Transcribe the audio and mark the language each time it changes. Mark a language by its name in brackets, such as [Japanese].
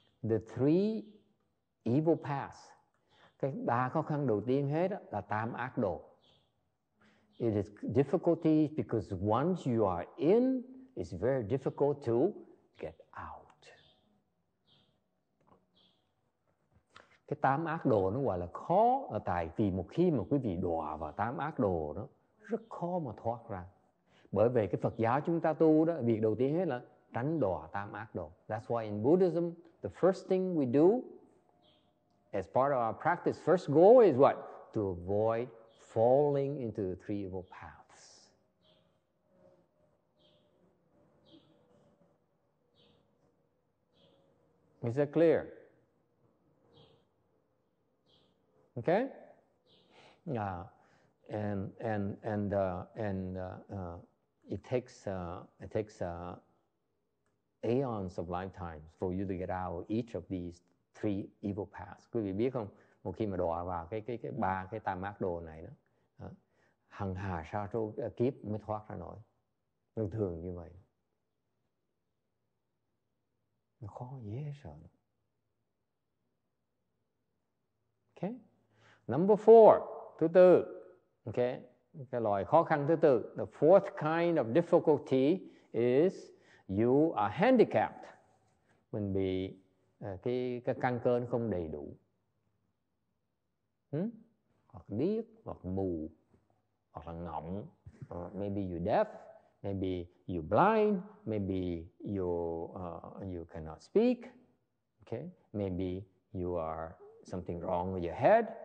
[English] The three evil paths. [Vietnamese] Cái ba khó khăn đầu tiên hết là tam ác đồ. [English] It is difficulty because once you are in, it's very difficult to get out. [Vietnamese] Cái tam ác đồ nó gọi là khó là tại vì một khi mà quý vị đọa vào tam ác đồ đó, rất khó mà thoát ra. Bởi vì cái Phật giáo chúng ta tu đó, việc đầu tiên hết là tránh đọa tam ác đồ. [English] That's why in Buddhism, the first thing we do as part of our practice, first goal is what? To avoid falling into the three evil paths. Is that clear? Okay? It takes aeons of lifetimes for you to get out of each of these three evil paths. [Vietnamese] Quý vị biết không? Một khi mà đọa vào cái ba cái tam ác đồ này đó, hằng hà sa số kiếp mới thoát ra nổi. Thường thường như vậy. Nó khó dễ sợ. [English] Okay. Number four, [Vietnamese] thứ tư. [English] Okay. [Vietnamese] Cái loại khó khăn thứ tư. [English] The fourth kind of difficulty is you are handicapped. [Vietnamese] Mình bị cái căn cơ nó không đầy đủ. Hoặc điếc, hoặc mù, hoặc là ngọng. [English] Maybe you're deaf, maybe you're blind, maybe you cannot speak. Okay. Maybe you are something wrong with your head.